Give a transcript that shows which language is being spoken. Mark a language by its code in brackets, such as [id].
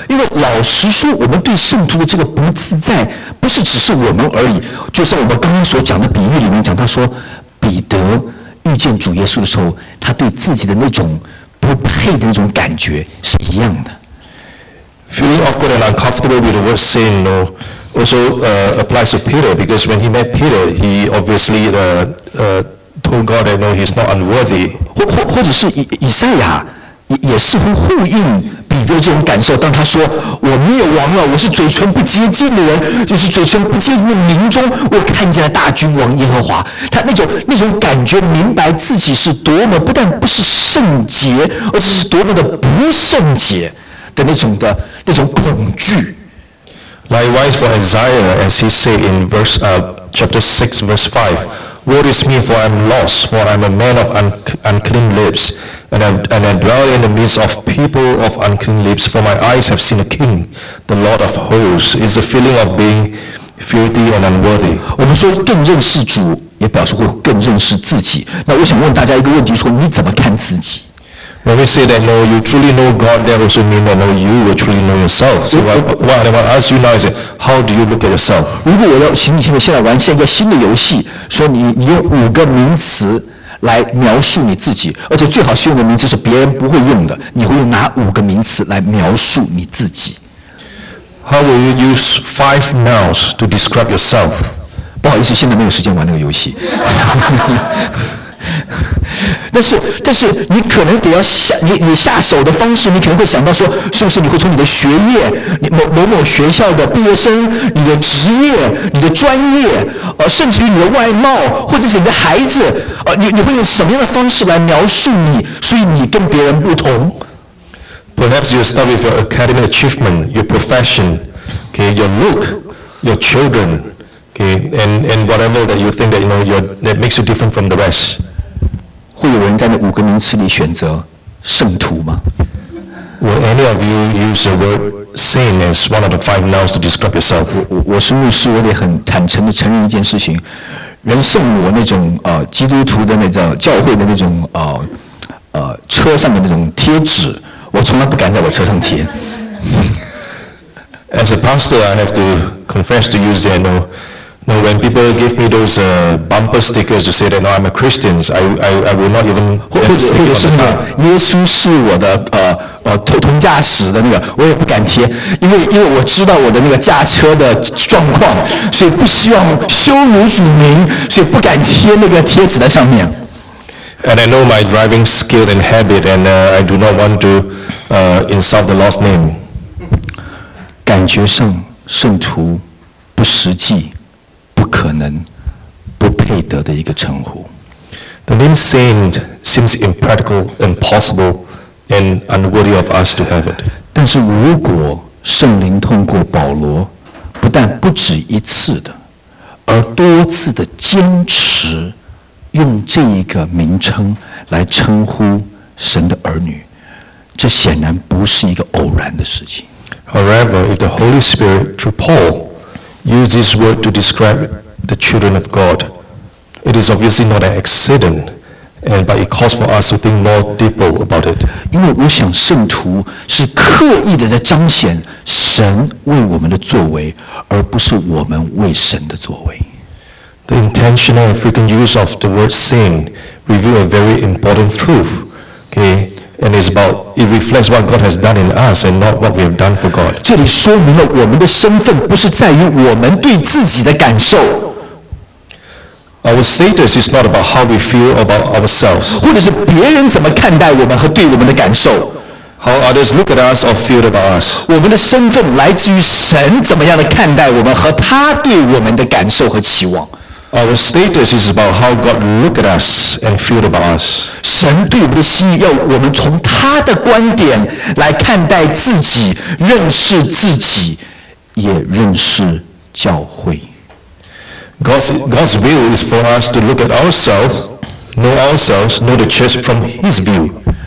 [zh] 因为老实说，我们对圣徒的这个不自在，不是只是我们而已。就像我们刚刚所讲的比喻里面讲到说，彼得遇见主耶稣的时候，他对自己的那种不配的那种感觉是一样的。 [en] Feeling awkward and uncomfortable with the word sin, you know, also applies to Peter, because when he met Peter, he obviously told God that, you know, he's not unworthy. [zh] 或者是以赛亚也似乎呼应彼得这种感受，当他说我灭亡了，我是嘴唇不洁净的人，就是嘴唇不洁净的民中，我看见了大君王耶和华。他那种感觉，明白自己是多么不但不是圣洁，而且是多么的不圣洁的那种恐惧。 [en] Likewise for Isaiah, as he said in chapter 6, verse 5, Woe is me, for I am lost, for I am a man of unclean lips. And I dwell in the midst of people of unclean lips, for my eyes have seen a king, the Lord of hosts. It's a feeling of being filthy and unworthy. [zh] 我们说更认识主，也表示会更认识自己。那我想问大家一个问题，说你怎么看自己？ [en] When we say that no, you truly know God, that also means that no, you will truly know yourself. So what I want to ask you now is, how do you look at yourself? [zh] 如果我要请你现在玩一个新的游戏，说你用五个名词来描述你自己，而且最好是用的名词是别人不会用的。你会用哪五个名词来描述你自己 [en] ？How will you use 5 nouns to describe yourself？ [zh] 不好意思，现在没有时间玩那个游戏。但是你可能得要下你下手的方式，你可能会想到说，是不是你会从你的学业，你某学校的毕业生，你的职业，你的专业，甚至于你的外貌，或者是你的孩子，你会用什么样的方式来描述你，所以你跟别人不同。 [en] Perhaps you start with your academic achievement, your profession, okay, your look, your children, okay, and whatever that you think that you know that makes you different from the rest. [zh] 会有人在那五个名词里选择圣徒吗？ [en] Will any of you use the word sin as one of the 5 nouns to describe yourself? [zh] 我是牧师，我得很坦诚地承认一件事情，人送我那种基督徒的那种教会的那种车上的那种贴纸，我从来不敢在我车上贴。 [en] As a pastor, I have to confess to use that, No, when people give me those bumper stickers to say that no, I'm a Christian, I will not even stick on the car. [zh] 或者是那个耶稣是我的同驾驶的那个，我也不敢贴，因为我知道我的那个驾车的状况，所以不希望羞辱主名，所以不敢贴那个贴纸在上面。 [en] And I know my driving skill and habit, and I do not want to insult the Lord's name. [zh] 感觉上圣徒不实际。可能不配得的一个称呼。 [en] The name saint seems impractical, impossible, and unworthy of us to have it. [zh] 但是如果圣灵通过保罗，不但不止一次的，而多次的坚持用这一个名称来称呼神的儿女，这显然不是一个偶然的事情。 [en] However, if the Holy Spirit through Paul use this word to describe the children of God, it is obviously not an accident, and but it calls for us to think more deeply about it. [zh] 因为我想圣徒是刻意的在彰显神为我们的作为，而不是我们为神的作为。 [en] The intentional and frequent use of the word sin reveals a very important truth. Okay. And it's about, it reflects what God has done in us and not what we have done for God. [zh] 这里说明了我们的身份不是在于我们对自己的感受。 [en] Our status is not about how we feel about ourselves. [zh] 或者是别人怎么看待我们和对我们的感受。 [en] How others look at us or feel about us. [zh] 我们的身份来自于神怎么样的看待我们和他对我们的感受和期望。 [en] Our status is about how God look at us and feel about us. [zh] 神对我们的心意要我们从他的观点来看待自己，认识自己，也认识教会。 [en] God's will is for us to look at ourselves, know the church from His view.